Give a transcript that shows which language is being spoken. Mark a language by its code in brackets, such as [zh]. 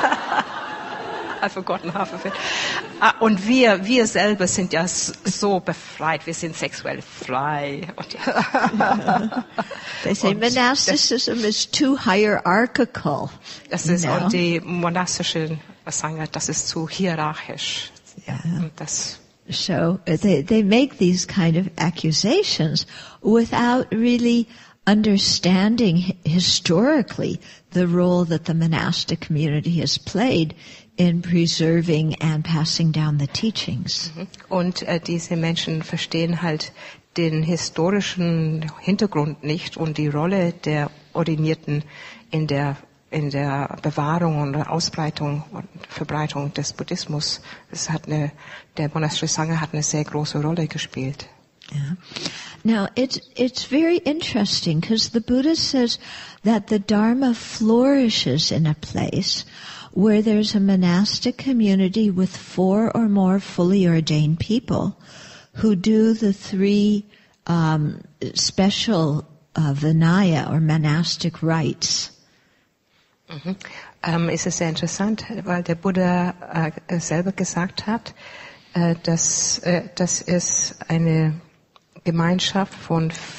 [en] I've forgotten half of it. [de] Und wir selber sind ja so befreit. Wir sind sexuell frei. [en] Ja. They say monasticism is too hierarchical. [de] Das ist, und die monastische Sangha, das ist zu hierarchisch. Ja. Und das. [en] So they make these kind of accusations without really understanding historically the role that the monastic community has played in preserving and passing down the teachings. [de] Und diese Menschen verstehen halt den historischen Hintergrund nicht und die Rolle der Ordinierten in der Bewahrung und Ausbreitung und Verbreitung des Buddhismus. Der monastische Sangha hat eine sehr große Rolle gespielt. [en] Yeah. Now, it's very interesting, because the Buddha says that the Dharma flourishes in a place where there's a monastic community with four or more fully ordained people who do the three special Vinaya or monastic rites. [de] Ist es sehr interessant, weil der Buddha selber gesagt hat, dass es eine Gemeinschaft von